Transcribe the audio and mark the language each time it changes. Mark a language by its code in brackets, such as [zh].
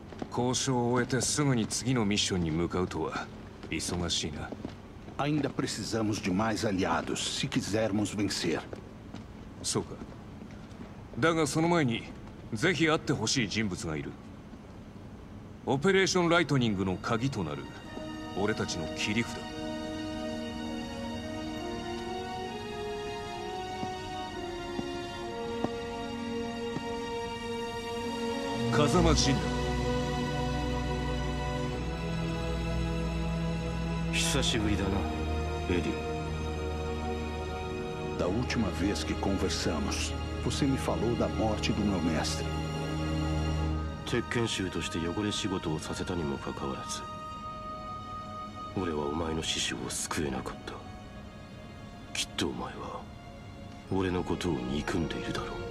[pt] Conversa concluída, logo em seguida vamos para a próxima missão. Isso é ocupado. Ainda precisamos de mais aliados, se quisermos vencer. Sim. [ja] だがその前にぜひ会ってほしい人物がいる。オペレーションライトニングの鍵となる俺たちの切り札。風間陣だ。久しぶりだな、エリオ。 [pt] Da última vez que conversamos. Você me falou da morte do meu mestre. [ja] Tekken 衆として汚れ仕事をさせたにもかかわらず、俺はお前の師匠を救えなかった。きっとお前は俺のことを憎んでいるだろう。